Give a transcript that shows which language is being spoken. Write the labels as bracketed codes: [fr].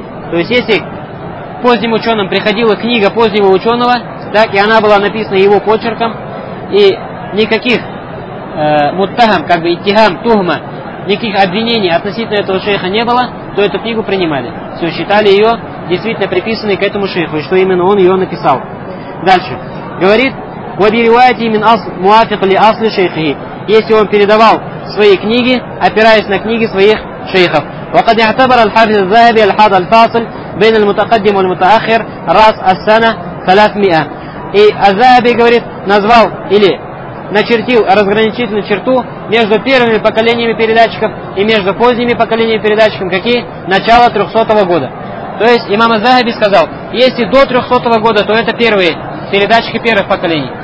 [ru] То есть, если к поздним ученым приходила книга позднего ученого, так, и она была написана его почерком, и никаких муттахам, как бы иттихам, тухма, никаких обвинений относительно этого шейха не было, то эту книгу принимали. Все, считали ее действительно приписанной к этому шейху, и что именно он ее написал. Дальше. Говорит, [ar] «Вабириуайте имин ас муафик ли асли шейхи». [ru] Если он передавал свои книги, опираясь на книги своих шейхов. [ar] وقد اعتبر الحافظ الذهبي الحاد الفاصل بين المتقدم والمتأخر رأس السنة 300. [ru] И аз-Захаби, говорит, назвал или начертил разграничительную черту между первыми поколениями передатчиков и между поздними поколениями передатчиков, какие? Начало 300 года. То есть имам аз-Захаби сказал, если до 300 года, то это первые передатчики первых поколений.